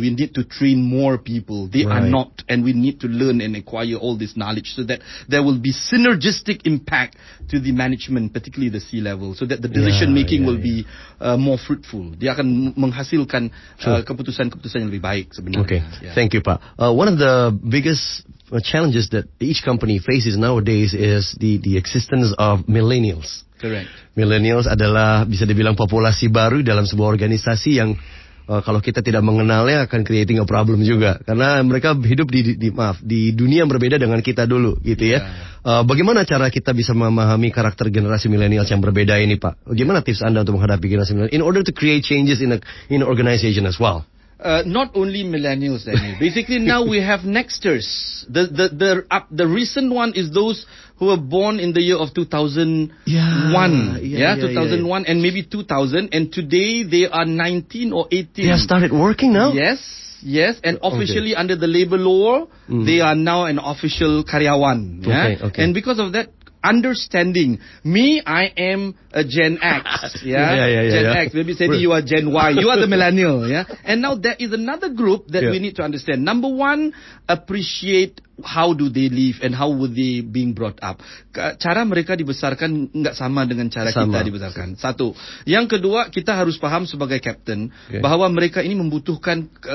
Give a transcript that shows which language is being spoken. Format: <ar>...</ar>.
<en>We need to train more people. They are not, and we need to learn and acquire all this knowledge so that there will be synergistic impact to the management, particularly the C-level, so that the decision-making will be more fruitful.</en> <id>Dia akan menghasilkan keputusan-keputusan yang lebih baik sebenarnya.</id> <en>Okay, thank you, Pak. One of the biggest challenges that each company faces nowadays is the existence of millennials. Correct.</en> <id>Millennials adalah bisa dibilang populasi baru dalam sebuah organisasi yang kalau kita tidak mengenalnya akan</id> <en>creating a problem</en> <id>juga. Karena mereka hidup di dunia yang berbeda dengan kita dulu gitu ya. Bagaimana cara kita bisa memahami karakter generasi millennials yang berbeda ini, Pak? Bagaimana tips Anda untuk menghadapi generasi millennials</id> <en>in order to create changes in organization as well? Not only millennials, Danny. Basically, now we have nexters. The recent one is those who were born in the year of 2001. Yeah, 2001 and maybe 2000. And today they are 19 or 18. They have started working now? Yes. Yes, and officially under the labor law, they are now an official karyawan. Yeah? Okay. And because of that, understanding me, I am a Gen X. Yeah. X. Maybe say you are Gen Y. You are the millennial. Yeah. And now there is another group that we need to understand. Number one, appreciate how do they live and how were they being brought up.</en> <id>Cara mereka dibesarkan enggak sama dengan cara kita dibesarkan. Satu. Yang kedua, kita harus paham sebagai captain bahwa mereka ini membutuhkan</id>